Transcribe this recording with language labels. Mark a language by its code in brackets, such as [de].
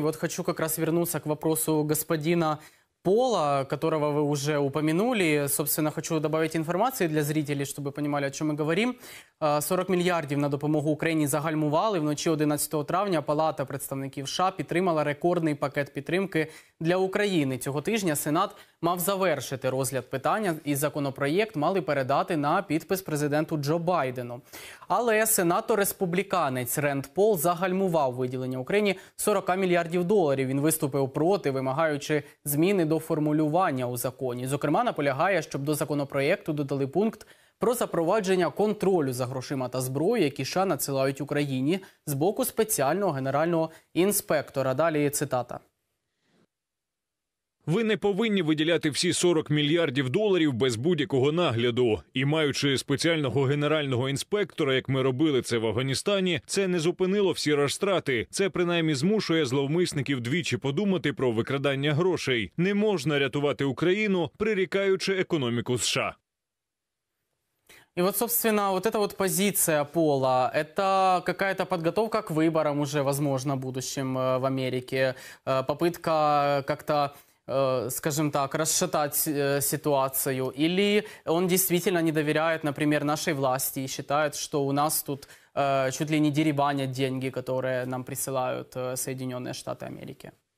[ru] Вот хочу как раз вернуться к вопросу господина Пола, которого вы уже упомянули. Собственно, хочу добавить информации для зрителей, чтобы понимали, о чем мы говорим. [uk] 40 мільярдів на допомогу Україні загальмували. Вночі 11 травня Палата представників США підтримала рекордний пакет підтримки для України. Цього тижня Сенат мав завершити розгляд питання і законопроєкт мали передати на підпис президенту Джо Байдену. Але сенатор-республіканець Ренд Пол загальмував виділення Україні 40 мільярдів доларів. Він виступив проти, вимагаючи зміни недоформулювання у законі. Зокрема, наполягає, щоб до законопроєкту додали пункт про запровадження контролю за грошима та зброєю, які США надсилають Україні з боку спеціального генерального інспектора. Далі є цитата. Ви не повинні виділяти всі 40 мільярдів доларів без будь-якого нагляду. І маючи спеціального генерального інспектора, як ми робили це в Афганістані, це не зупинило всі розтрати. Це принаймні змушує зловмисників двічі подумати про викрадання грошей. Не можна рятувати Україну, прирікаючи економіку США. [ru] И вот, собственно, вот эта вот позиция Пола, это какая-то подготовка к выборам уже, возможно, будущим в Америке, попытка как-то, скажем так, расшатать ситуацию, или он действительно не доверяет, например, нашей власти и считает, что у нас тут чуть ли не деребанят деньги, которые нам присылают Соединенные Штаты Америки?